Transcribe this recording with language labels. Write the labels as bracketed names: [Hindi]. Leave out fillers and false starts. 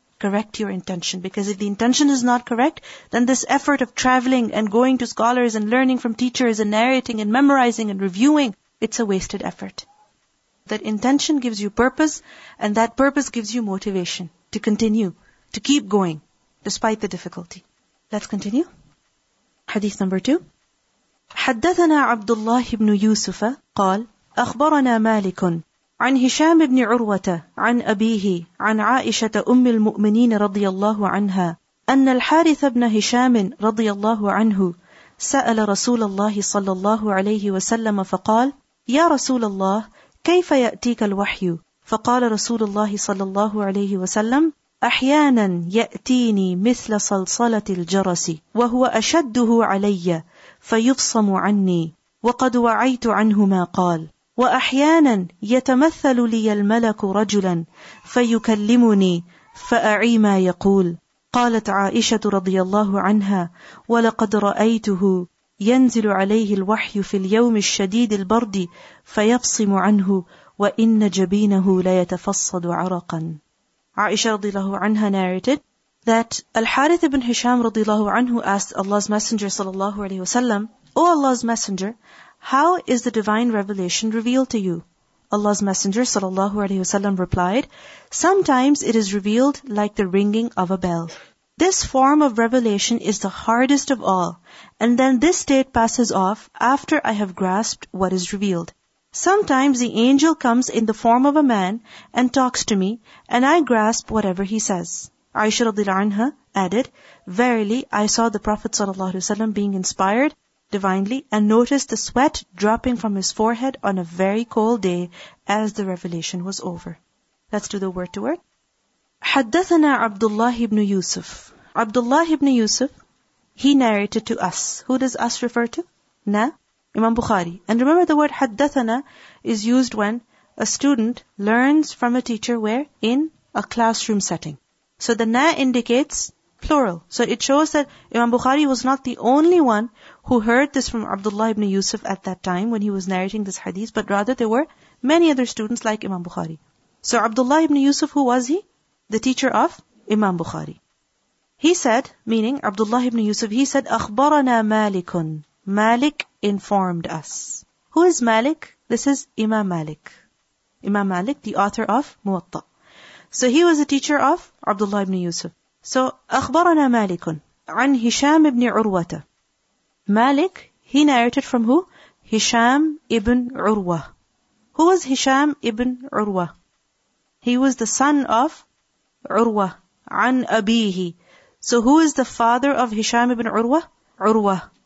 [English] Correct your intention, because if the intention is not correct, then this effort of traveling and going to scholars and learning from teachers and narrating and memorizing and reviewing, it's a wasted effort. That intention gives you purpose, and that purpose gives you motivation to continue, to keep going, despite the difficulty. Let's continue. Hadith number 2. [Arabic] حدثنا عبد الله بن يوسف قال أخبرنا مالك عن هشام بن عروة عن أبيه عن عائشة أم المؤمنين رضي الله عنها أن الحارث بن هشام رضي الله عنه سأل رسول الله صلى الله عليه وسلم فقال يا رسول الله كيف يأتيك الوحي؟ فقال رسول الله صلى الله عليه وسلم أحيانا يأتيني مثل صلصلة الجرس وهو أشده علي فيفصم عني وقد وعيت عنه ما قال وأحيانا يتمثل لي الملك رجلا فيكلمني فأعي ما يقول قالت عائشة رضي الله عنها ولقد رأيته ينزل عليه الوحي في اليوم الشديد البرد فيفصم عنه وإن جبينه ليتفصد عرقا. [English] Aisha radiallahu anha narrated that Al-Harith ibn Hisham radiallahu anhu asked Allah's Messenger sallallahu alayhi wa sallam, O Allah's Messenger, how is the divine revelation revealed to you? Allah's Messenger sallallahu alayhi wa sallam replied, sometimes it is revealed like the ringing of a bell. This form of revelation is the hardest of all, and then this state passes off after I have grasped what is revealed. Sometimes the angel comes in the form of a man and talks to me, and I grasp whatever he says. Aisha radhiyallahu anha added, verily, I saw the Prophet sallallahu alaihi wasallam being inspired divinely and noticed the sweat dropping from his forehead on a very cold day as the revelation was over. Let's do the word to word. [Arabic] حَدَّثَنَا عَبْدُ اللَّهِ بْنُ يُوسُفُ عَبْدُ اللَّهِ بْنُ يُوسُفُ, [English] he narrated to us. Who does us refer to? Na? Imam Bukhari. And remember, the word حَدَّثَنَا is used when a student learns from a teacher where? In a classroom setting. So the na indicates plural. So it shows that Imam Bukhari was not the only one who heard this from Abdullah ibn Yusuf at that time when he was narrating this hadith, but rather there were many other students like Imam Bukhari. So Abdullah ibn Yusuf, who was he? The teacher of Imam Bukhari. He said, meaning Abdullah ibn Yusuf, he said, [Arabic] أخبرنا مالكٌ. [English] Malik informed us. Who is Malik? This is Imam Malik. Imam Malik, the author of Muwatta. So he was a teacher of Abdullah ibn Yusuf. So, [Arabic] أخبرنا مالكٌ عن هشام ابن عروة. [English] Malik, he narrated from who? Hisham ibn Urwa. Who was Hisham ibn Urwa? He was the son of Urwa. An abihi. So who is the father of Hisham ibn Urwa? Urwa.